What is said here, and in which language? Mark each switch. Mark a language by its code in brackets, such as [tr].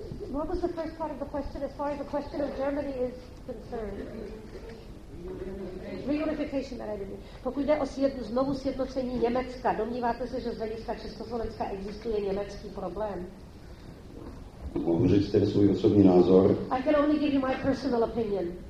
[en] What was the first part of the question? As far as the question of Germany is concerned, reunification. [cs] Pokud jde o znovu sjednocení Německa, domníváte se, že z hlediska Československa existuje německý problém? Můžu říct tedy svůj osobní názor. [en] I can only give you my personal opinion.